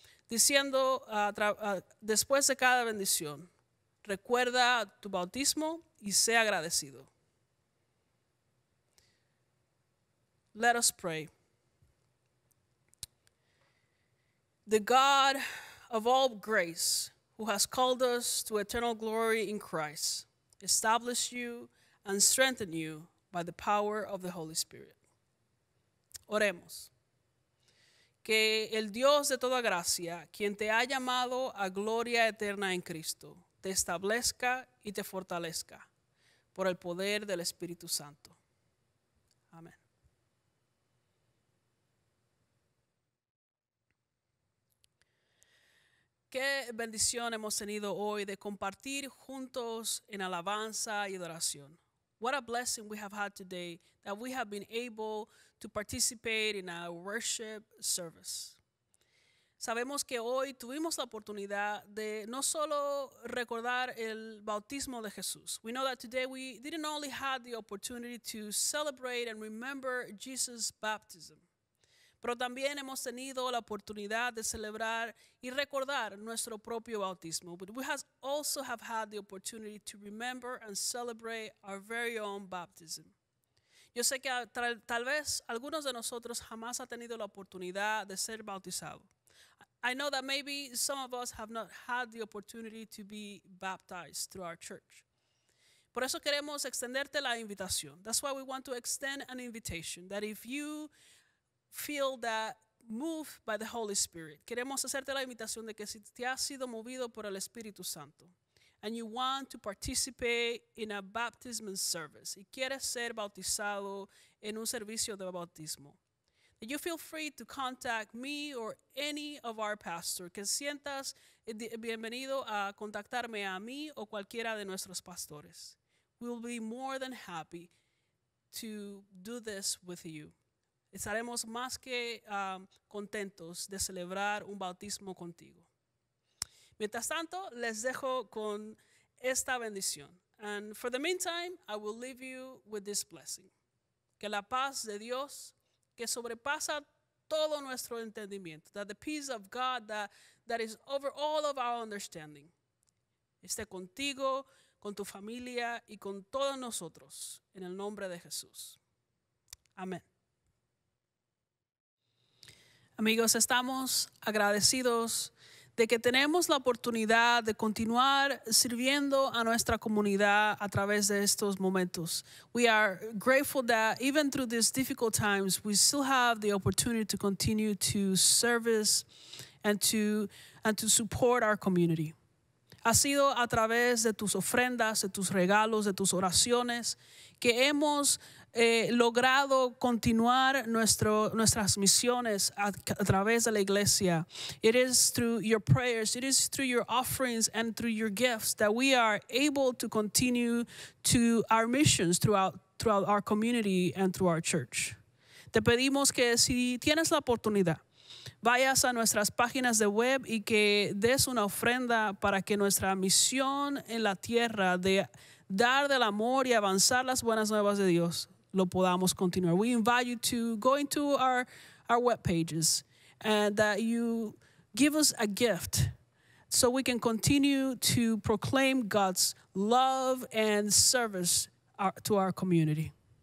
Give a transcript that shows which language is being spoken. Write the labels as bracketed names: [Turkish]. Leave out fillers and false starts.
[Spanish] Diciendo después de cada bendición, recuerda tu bautismo y sé agradecido. [English] Let us pray. The God of all grace, who has called us to eternal glory in Christ, establish you and strengthen you by the power of the Holy Spirit. [Spanish] Oremos. Que el Dios de toda gracia, quien te ha llamado a gloria eterna en Cristo, te establezca y te fortalezca por el poder del Espíritu Santo. Amén. Qué bendición hemos tenido hoy de compartir juntos en alabanza y adoración. [English] What a blessing we have had today that we have been able to participate in our worship service. [Spanish] Sabemos que hoy tuvimos la oportunidad de no solo recordar el bautismo de Jesús. [English] We know that today we didn't only have the opportunity to celebrate and remember Jesus' baptism, [Spanish] pero también hemos tenido la oportunidad de celebrar y recordar nuestro propio bautismo. [English] But we have also have had the opportunity to remember and celebrate our very own baptism. [Spanish] Yo sé que tal vez algunos de nosotros jamás ha tenido la oportunidad de ser bautizado. [English] I know that maybe some of us have not had the opportunity to be baptized through our church. [Spanish] Por eso queremos extenderte la invitación. [English] That's why we want to extend an invitation that if you feel that moved by the Holy Spirit, [Spanish] queremos hacerte la invitación de que si te has sido movido por el Espíritu Santo, [English] and you want to participate in a baptism service, [Spanish] y quieres ser bautizado en un servicio de bautismo, [English] then you feel free to contact me or any of our pastors. [Spanish] Que sientas bienvenido a contactarme a mí o cualquiera de nuestros pastores. [English] We'll be more than happy to do this with you. [Spanish] Estaremos más que contentos de celebrar un bautismo contigo. Mientras tanto, les dejo con esta bendición. [English] And for the meantime, I will leave you with this blessing. [Spanish] Que la paz de Dios, que sobrepasa todo nuestro entendimiento, [English] that the peace of God that is over all of our understanding, [Spanish] esté contigo, con tu familia y con todos nosotros, en el nombre de Jesús. Amén. Amigos, estamos agradecidos de que tenemos la oportunidad de continuar sirviendo a nuestra comunidad a través de estos momentos. [English] We are grateful that even through these difficult times, we still have the opportunity to continue to service and to support our community. [Spanish] Ha sido a través de tus ofrendas, de tus regalos, de tus oraciones, que hemos logrado continuar nuestras misiones a través de la iglesia. [English] It is through your prayers, it is through your offerings and through your gifts that we are able to continue to our missions throughout our community and through our church. [Spanish] Te pedimos que si tienes la oportunidad, vayas a nuestras páginas de web y que des una ofrenda para que nuestra misión en la tierra de dar del amor y avanzar las buenas nuevas de Dios lo podamos continuar. [English] We invite you to go into our web pages and that you give us a gift so we can continue to proclaim God's love and service to our community.